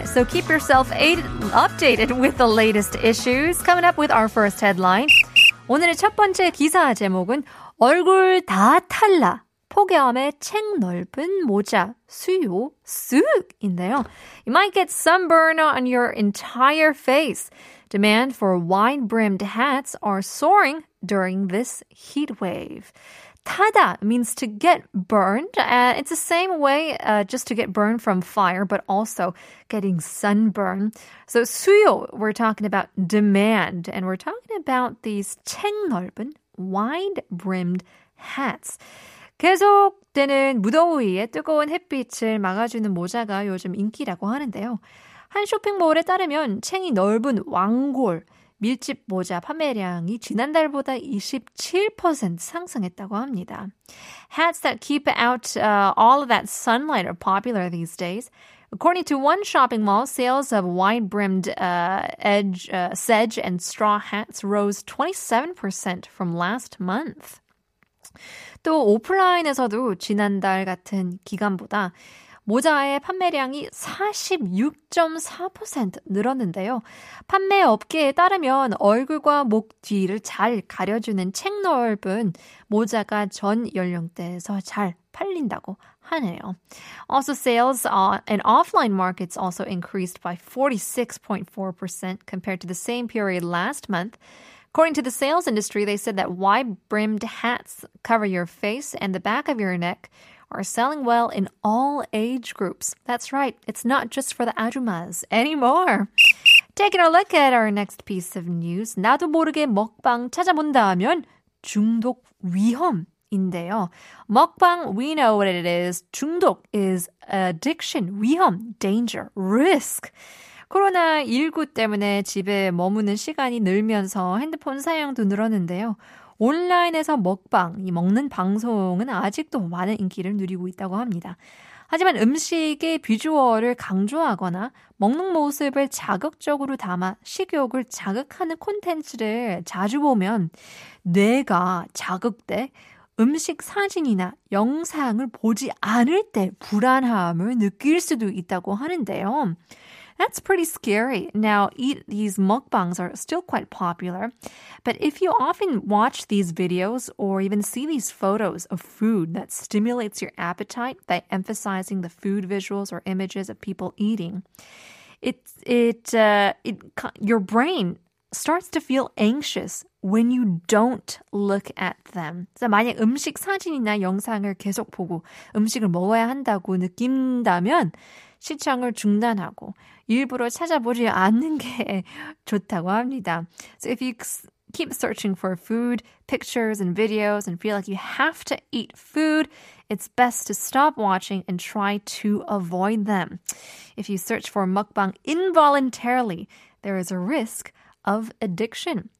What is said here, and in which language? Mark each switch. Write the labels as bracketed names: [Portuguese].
[English] So keep yourself updated with the latest issues. Coming up with our first headline. [Korean] 오늘의 첫 번째 기사 제목은 얼굴 다 탈라 폭염에 챙 넓은 모자 수요 쑥인데요. [English] You might get sunburn on your entire face. Demand for wide-brimmed hats are soaring during this heat wave. 타다 means to get burned. It's the same way just to get burned from fire, but also getting sunburned. So 수요, we're talking about demand, and we're talking about these [Korean] 챙 넓은 [English] wide-brimmed hats. [Korean] 계속되는 무더위에 뜨거운 햇빛을 막아주는 모자가 요즘 인기라고 하는데요. 한 쇼핑몰에 따르면 챙이 넓은 왕골, 밀집 모자 판매량이 지난달보다 27% 상승했다고 합니다. [English] Hats that keep out all of that sunlight are popular these days. According to one shopping mall, sales of wide-brimmed sedge and straw hats rose 27% from last month. [Korean] 또 오프라인에서도 지난달 같은 기간보다 모자의 판매량이 46.4% 늘었는데요. 판매 업계에 따르면 얼굴과 목 뒤를 잘 가려주는 챙 넓은 모자가 전 연령대에서 잘 팔린다고 하네요. [English] Also, sales in offline markets also increased by 46.4% compared to the same period last month. According to the sales industry, they said that wide-brimmed hats cover your face and the back of your neck are selling well in all age groups. That's right. It's not just for the ajummas anymore. Taking a look at our next piece of news. [Korean] 나도 모르게 먹방 찾아본다면 중독 위험인데요. [English] 먹방, we know what it is. 중독 is addiction, 위험, danger, risk. [Korean] 코로나19 때문에 집에 머무는 시간이 늘면서 핸드폰 사용도 늘었는데요. 온라인에서 먹방, 이 먹는 방송은 아직도 많은 인기를 누리고 있다고 합니다. 하지만 음식의 비주얼을 강조하거나 먹는 모습을 자극적으로 담아 식욕을 자극하는 콘텐츠를 자주 보면 뇌가 자극돼 음식 사진이나 영상을 보지 않을 때 불안함을 느낄 수도 있다고 하는데요. [English] That's pretty scary. Now, these mukbangs are still quite popular. But if you often watch these videos or even see these photos of food that stimulates your appetite by emphasizing the food visuals or images of people eating, your brain starts to feel anxious when you don't look at them. [Korean] So 만약 음식 사진이나 영상을 계속 보고 음식을 먹어야 한다고 느낀다면 시청을 중단하고 일부러 찾아보지 않는 게 좋다고 합니다. [English] So if you keep searching for food, pictures and videos and feel like you have to eat food, it's best to stop watching and try to avoid them. If you search for mukbang involuntarily, there is a risk of addiction.